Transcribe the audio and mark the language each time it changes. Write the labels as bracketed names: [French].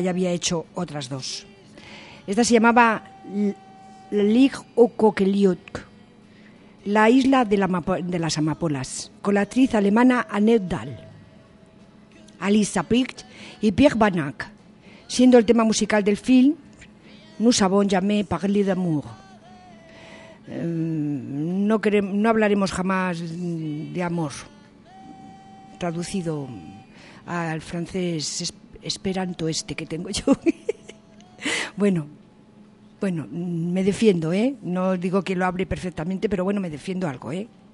[Spanish] Ya había hecho otras dos. Esta se llamaba L'île au coquelicot, la isla de las amapolas, con la actriz alemana Annette Dahl, Alice Sapritch y Pierre Banac, siendo el tema musical del film [French] nous avons jamais parlé d'amour. [Spanish] No hablaremos jamás de amor. Traducido al francés esperanto este que tengo yo. Bueno, me defiendo, ¿eh? No digo que lo hable perfectamente, pero bueno, me defiendo algo, ¿eh?